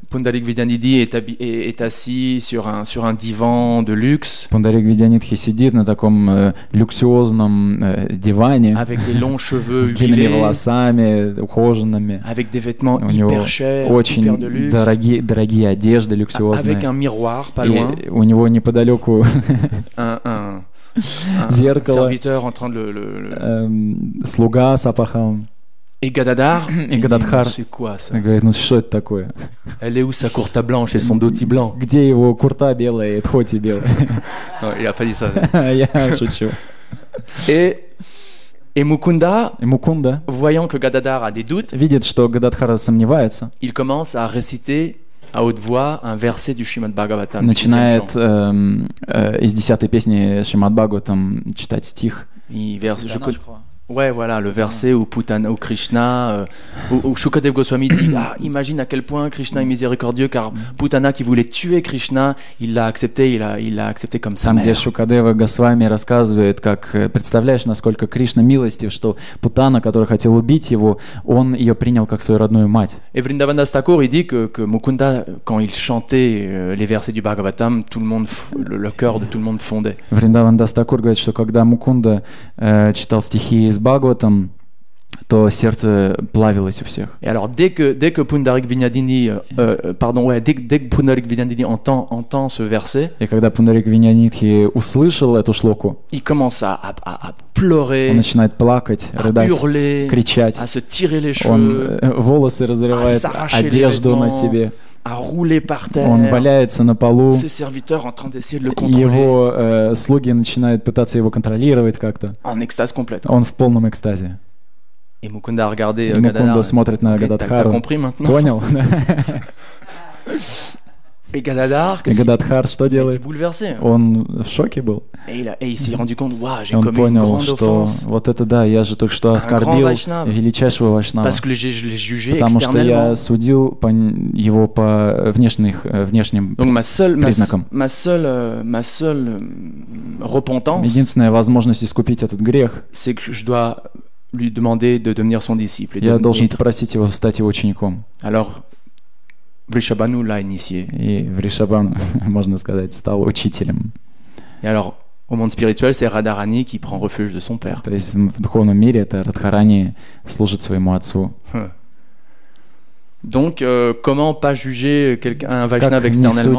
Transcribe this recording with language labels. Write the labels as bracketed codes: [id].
[fr] Pundarik Vidyanidhi est assis sur un divan de luxe. [ru] Pundarik Vidyanidhi сидит на таком люксюозном диване. [fr] Avec des longs cheveux huilés. [ru] С длинными волосами, ухоженными. [fr] Avec des vêtements hyper chers, [ru] очень [fr] hyper de luxe. [ru] Дорогие одежды люксюозные. [fr] Avec un miroir pas loin. [ru] И у него неподалеку зеркало. [fr] Serviteur en train de [ru] слуга с запахом. [fr] Et Gadadhar, [ru] и Гададхар говорит, ну что это такое? [fr] Elle est où sa courta blanche et son dhoti blanc? [ru] Где его курта белая и дхоти белая? [fr] Non, il a pas dit ça. [ru] Я шучу. [fr] Et Mukunda, voyant que Gadadhar a des doutes, [ru] видит, что Гададхар сомневается, [fr] il commence à réciter à haute voix un verset du Shrimad Bhagavatam. [ru] Начинает из 10-й песни Shrimad Bhagavatam читать стих. [fr] Je crois. Ouais, voilà, le verset où Putana, où Krishna, où Shukadev Goswami dit, ah, imagine à quel point Krishna est miséricordieux, car Putana qui voulait tuer Krishna, il l'a accepté, il l'a accepté comme sa mère. [ru] Там, где Шукадева Госвами рассказывает, как представляешь, насколько Кришна милостив, что Путана, который хотел убить его, он ее принял как свою родную мать. [fr] Et Vrindavanas Thakur, il dit que Mukunda, quand il chantait les versets du Bhagavatam, tout le monde, le cœur de tout le monde fondait. [ru] Vrindavanas Thakur говорит, что когда Мукунда читал стихи из Бхагаватам, то сердце плавилось у всех. И [fr] alors dès que Pundarik Vidyanidhi, dès que Pundarik Vidyanidhi entend ce verset, [ru] и когда Пундарик Винянидхи услышал эту шлоку, [fr] il commence à pleurer, [ru] он начинает плакать, [fr] à [ru] рыдать, [fr] hurler, [ru] кричать, [fr] à se tirer les cheveux, [ru] он волосы разрывает, [fr] à s'arracher [ru] одежду [fr] les vêtements, [ru] на себе. [fr] À rouler par terre. [ru] Он валяется на полу. [fr] Ses serviteurs en train d'essayer de le contrôler. [ru] Его слуги начинают пытаться его контролировать как-то. [fr] En extase complète. [ru] Он в полном экстазе. [fr] Et Mukunda a regardé [ru] Gadadhar. Смотрит на [fr] Гададхару. T'as compris maintenant? [ru] Понял. [fr] Et Gadadhar, qu'est-ce qu'il Gadadhar, [ru] что делает? [fr] Il était bouleversé. [ru] Он в шоке был. [fr] Et il s'est rendu compte, waouh, j'ai commis une grande offense. [ru] Что, вот это да, я же только что оскорбил величайшего вайшнава. [fr] Parce que je l'ai jugé externellement. [ru] Потому что я судил его по внешним признакам. [fr] Ma seule repentance. [ru] Единственная возможность искупить этот грех. [fr] C'est que je dois lui demander de devenir son disciple. [ru] Я должен попросить его стать его учеником. [fr] Alors Vrishabhanu l'a initié. [ru] И Vrishabhanu, можно сказать, стал учителем. [fr] Et alors, au monde spirituel, c'est Radharani qui prend refuge de son père. [ru] То есть в духовном мире это Радхарани служит своему отцу. [fr] Donc, comment pas juger quelqu'un un Vaishnava externellement?